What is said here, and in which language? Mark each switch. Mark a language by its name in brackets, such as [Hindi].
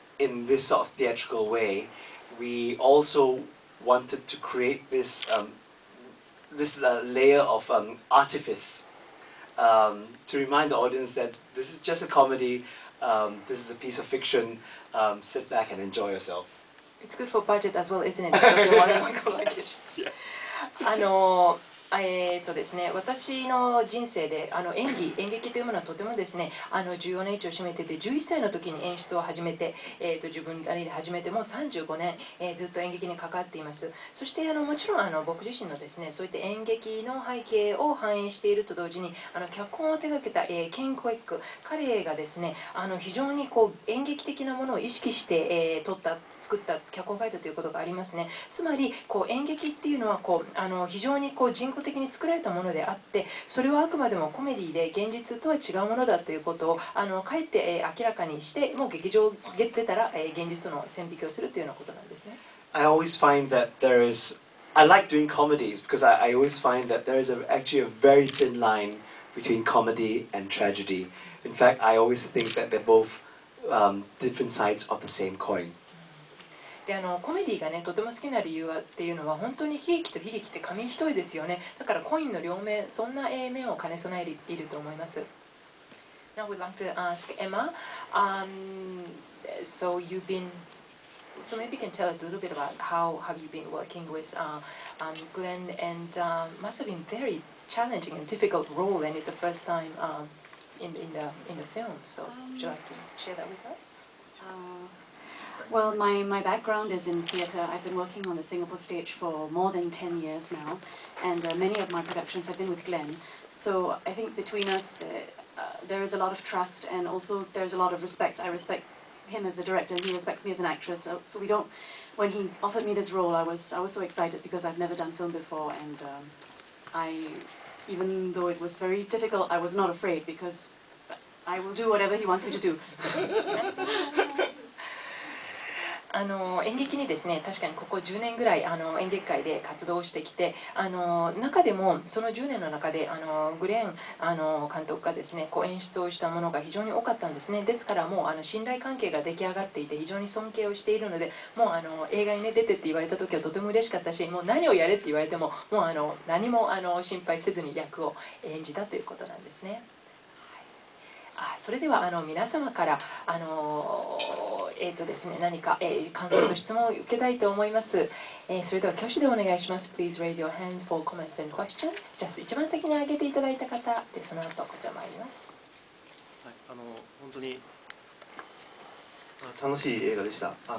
[English] In this sort of theatrical way, we also wanted to create this this layer of artifice to remind the audience that this is just a comedy, this is a piece of fiction. Sit back and enjoy yourself. It's good for budget as well, isn't it? Because you want to go like this. Yes. [Japanese] ですね、私の人生で演劇というものはとてもですね、重要な位置を占めていて、11歳の時に演出を始めて、自分なりで始めて、もう35年、ずっと演劇に関わっています。そしてもちろん僕自身のですね、そういった演劇の背景を反映していると同時に、脚本を手掛けた、ケン・クエック、彼がですね、非常にこう演劇的なものを意識して、作った脚本を書いたということがありますね。つまりこう演劇っていうのはこう非常にこう人工的に作られたものであって、それはあくまでもコメディで現実とは違うものだということをかえって明らかにして、もう劇場に出たら現実との線引きをするというようなことなんですね。 [English] I always find that there is I like doing comedies because I always find that there is actually a very thin line between comedy and tragedy. In fact, I always think that they're both different sides of the same coin. [Japanese] でコメディがねとても好きな理由はっていうのは、本当に悲劇と悲劇って紙一重ですよね。だからコインの両面、そんな面を兼ね備えていると思います。 [English] Now we'd like to ask Emma、So you've been So maybe you can tell us a little bit about how have you been working with Glenn and must have been very challenging and difficult role and it's the first time in the film. So would you like to share that with us? Well, my background is in theatre. I've been working on the Singapore stage for more than 10 years now, and many of my productions have been with Glenn. So I think between us, there is a lot of trust, and also there is a lot of respect. I respect him as a director, and he respects me as an actress. So we don't... When he offered me this role, I was so excited because I've never done film before, and even though it was very difficult, I was not afraid because I will do whatever he wants me to do. [Japanese] 演劇にですね、確かにここ10年ぐらい演劇界で活動してきて、中でもその10年の中でグレーン監督がですね、こう演出をしたものが非常に多かったんですね。ですからもう信頼関係が出来上がっていて、非常に尊敬をしているので、もう映画に、ね、出てって言われた時はとても嬉しかったし、もう何をやれって言われても、もう何も心配せずに役を演じたということなんですね。それでは皆様から何か、感想と質問を受けたいと思います。それでは挙手でお願いします。 [English] Please raise your hands for comments and questions. [Japanese] じゃあ一番先に挙げていただいた方で、その後こちら参ります。はい、本当に楽しい映画でした。